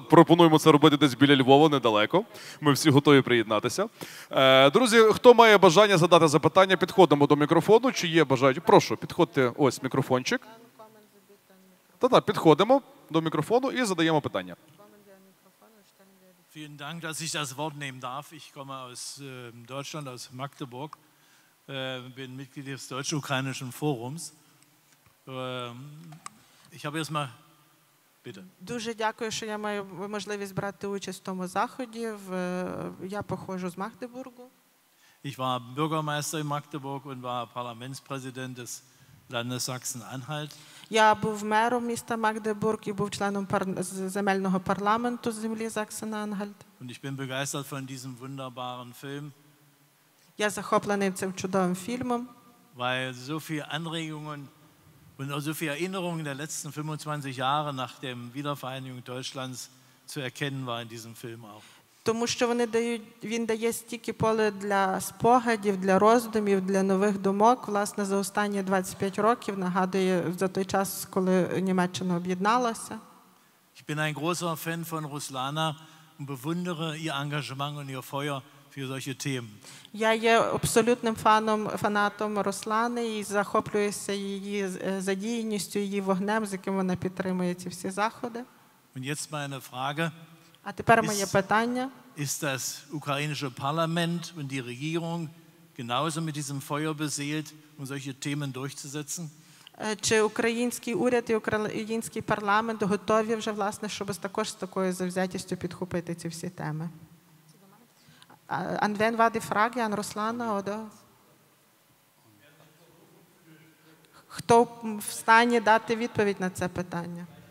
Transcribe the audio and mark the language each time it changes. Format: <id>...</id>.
<uk>Пропонуємо це робити десь біля Львова, недалеко. Ми всі готові приєднатися. Друзі, хто має бажання задати запитання, підходимо до мікрофону. Чи є бажання? Прошу, підходьте. Ось мікрофончик. Та-та, підходимо до мікрофону і задаємо питання.</uk> <de>Vielen Dank, dass ich das Wort nehmen darf. Ich komme aus Deutschland, aus Magdeburg, bin Mitglied des deutsch-ukrainischen Forums. Ich habe erstmal bitte.</de> <uk>Дуже дякую, що я маю можливість брати участь в тому заході. Я походжу з Магдебургу.</uk> <de>Ich war Bürgermeister in Magdeburg und war Parlamentspräsident des Landes Sachsen-Anhalt.</de> <uk>Я був мером міста Магдебург і був членом земельного парламенту землі Заксен-Анхальт.</uk> <de>Und ich bin begeistert von diesem wunderbaren Film.</de> <uk>Я захоплений цим чудовим фільмом.</uk> <de>Weil so viele Anregungen und so viele Erinnerungen der letzten 25 Jahre nach der Wiedervereinigung Deutschlands zu erkennen war in diesem Film auch.</de> <uk>Тому що вони дають, він дає стільки поле для спогадів, для роздумів, для нових думок. Власне, за останні 25 років нагадує за той час, коли Німеччина об'єдналася.</uk> <de>Ich bin ein großer Fan von Ruslana und bewundere ihr Engagement und ihr Feuer für solche Themen.</de> <uk>Я є абсолютним фанатом Руслани і захоплююся її задіяністю, її вогнем, з яким вона підтримує ці всі заходи.</uk> <de>Und jetzt meine Frage.</de> <uk>А тепер моє питання.</uk> <de>Ist das ukrainische Parlament und die Regierung genauso mit diesem Feuer beseelt, um solche Themen durchzusetzen?</de> <uk>Чи український уряд і український парламент готові вже, власне, щоб також з такою завзятістю підхопити ці всі теми?</uk> <de>Und wenn war die Frage an Руслана, oder?</de> <uk>Хто в стані дати відповідь на це питання?</uk>